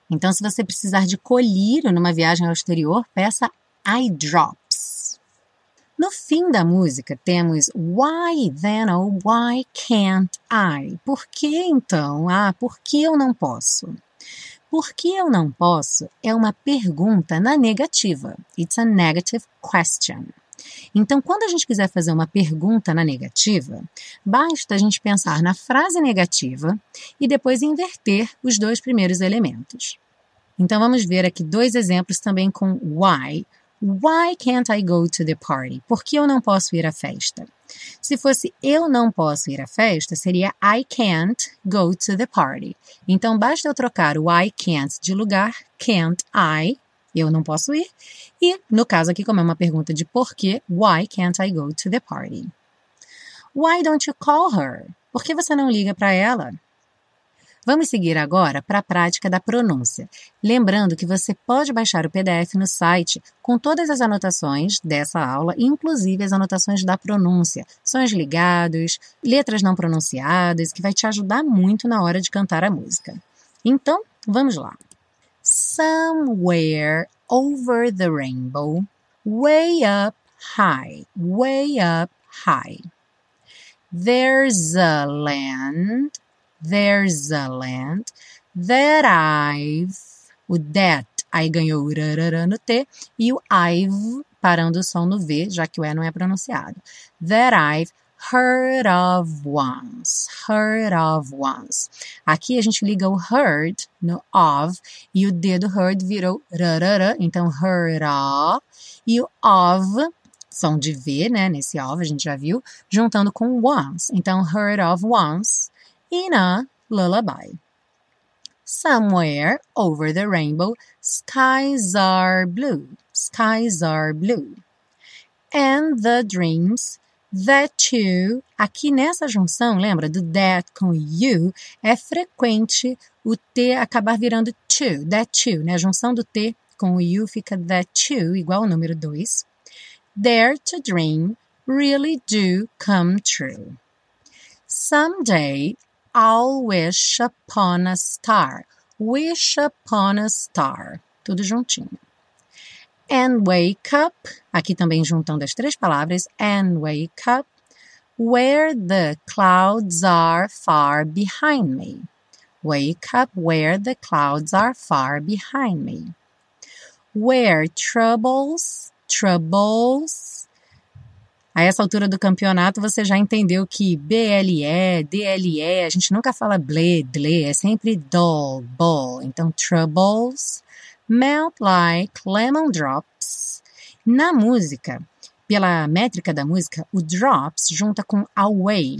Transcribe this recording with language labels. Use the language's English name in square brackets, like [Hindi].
[Portuguese] Então, se você precisar de colírio numa viagem ao exterior, peça eye drops. No fim da música, temos [English] why then or why can't I? [Portuguese] Por que então? Ah, por que eu não posso? Por que eu não posso é uma pergunta na negativa. [English] It's a negative question. [Portuguese] Então, quando a gente quiser fazer uma pergunta na negativa, basta a gente pensar na frase negativa e depois inverter os dois primeiros elementos. Então, vamos ver aqui dois exemplos também com why. [English] Why can't I go to the party? [Portuguese] Por que eu não posso ir à festa? Se fosse eu não posso ir à festa, seria I can't go to the party. Então, basta eu trocar o I can't de lugar, can't I, eu não posso ir. E, no caso aqui, como é uma pergunta de por quê, [English] why can't I go to the party? Why don't you call her? [Portuguese] Por que você não liga para ela? Vamos seguir agora para a prática da pronúncia. Lembrando que você pode baixar o PDF no site com todas as anotações dessa aula, inclusive as anotações da pronúncia, sons ligados, letras não pronunciadas, que vai te ajudar muito na hora de cantar a música. Então, vamos lá. [English] Somewhere over the rainbow, way up high, way up high. There's a land, there's a land that I've [Portuguese] O that, aí ganhou o rarara no T, e o I've, parando o som no V, já que o E não é pronunciado. [English] That I've heard of once. Heard of once. [Portuguese] Aqui a gente liga o heard no of, e o D do heard virou rarara, então heard of, e o of, som de V, né, nesse of a gente já viu, juntando com once. [English] Então heard of once in a lullaby. Somewhere over the rainbow, skies are blue. Skies are blue. And the dreams that you. [Portuguese] Aqui nessa junção, lembra do that com you, é frequente o T acabar virando to. That you, né? A junção do T com o you fica that you, igual ao número 2. [English] Dare to dream really do come true. Someday I'll wish upon a star. Wish upon a star. [Portuguese] Tudo juntinho. [English] And wake up. [Portuguese] Aqui também juntando as três palavras. [English] And wake up. Where the clouds are far behind me. Wake up where the clouds are far behind me. Where troubles. Troubles. [Portuguese] A essa altura do campeonato, você já entendeu que BLE, DLE, a gente nunca fala ble, dle, é sempre dol, bol. [English] Então, troubles melt like lemon drops. [Portuguese] Na música, pela métrica da música, o drops junta com away.